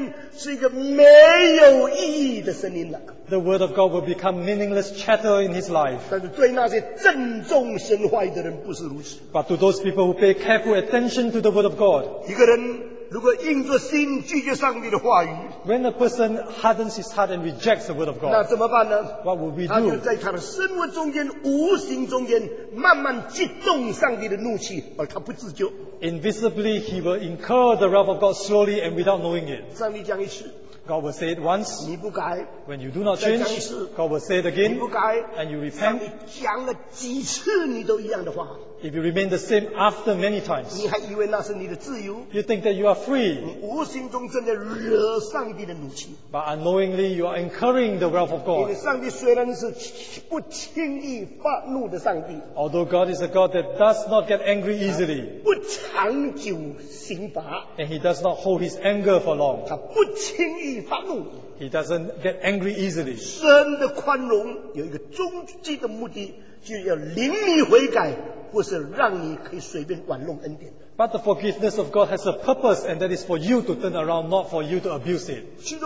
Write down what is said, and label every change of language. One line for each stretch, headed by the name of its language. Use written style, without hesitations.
Chinese: 这样神的话就变成在他生命中间是一个没有意义的声音了。
English: The word of God will become meaningless chatter in his life. But to those people who pay careful attention to the word of God,
Chinese: 如果硬着心拒绝上帝的话语,
English: when a person hardens his heart and rejects the word of God,
Chinese: 那怎么办呢?
English: What will we do?
Chinese: 他就在他的生活中间,无形中间,慢慢激动上帝的怒气,而他不自救。
English: Invisibly, he will incur the wrath of God slowly and without knowing it.
Chinese: 上帝讲一次,
English: God will say it once.
Chinese: 你不改,
English: when you do not change,
Chinese: 再讲一次,
English: God will say it again.
Chinese: 你不改,
English: and you repent.
Chinese: 上帝讲了几次你都一样的话,
English: if you remain the same after many times,
Chinese: 你还以为那是你的自由,
English: you think that you are free.
Chinese: 你无形中正在惹上帝的怒气,
English: but unknowingly, you are incurring the wrath of God.
Chinese: 因为上帝虽然是不轻易发怒的上帝,
English: although God is a God that does not get angry easily,
Chinese: 不长久刑罚,
English: and he does not hold his anger for long.
Chinese: 他不轻易发怒,
English: he doesn't get angry easily.
Chinese: 神的宽容有一个终极的目的, 就要领你悔改, 不是让你可以随便玩弄恩典。
English: But the forgiveness of God has a purpose, and that is for you to turn around, not for you to abuse it.